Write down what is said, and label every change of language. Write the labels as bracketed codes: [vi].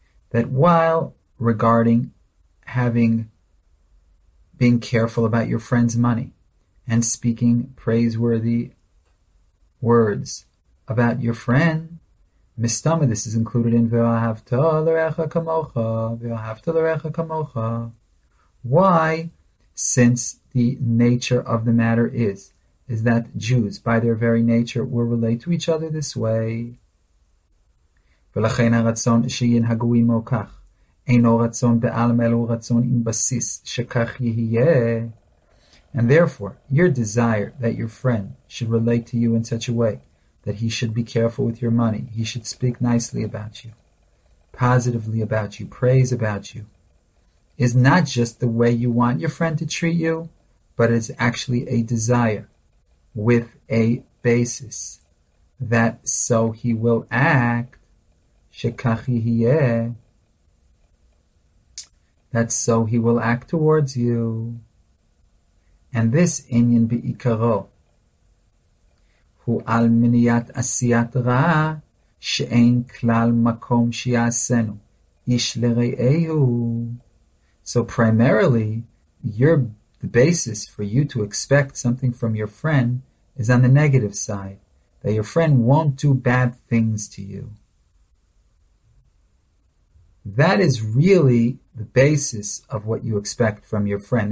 [en] That while regarding being careful about your friend's money and speaking praiseworthy words about your friend, mistama, this is included in [he] Ve'ahavta L'Re'acha Kamocha, [en] Ve'ahavta L'Re'acha Kamocha. Why? Since the nature of the matter is that Jews, by their very nature, will relate to each other this way. [he] ולכן הרצון שינהגו עמו כך, אינו רצון בעלם אלו רצון עם בסיס שכך יהיה. [en] And therefore, your desire that your friend should relate to you in such a way that he should be careful with your money, he should speak nicely about you, positively about you, praise about you, is not just the way you want your friend to treat you, but it's actually a desire with a basis that so he will act, [he] שכך יהיה, [en] that so he will act towards you. And this [he] עניין בעיקרו הוא על מניעת עשיית רע שאין כלל מקום שיעשנו איש לרעהו. [en] So primarily, the basis for you to expect something from your friend is on the negative side, that your friend won't do bad things to you. That is really the basis of what you expect from your friend.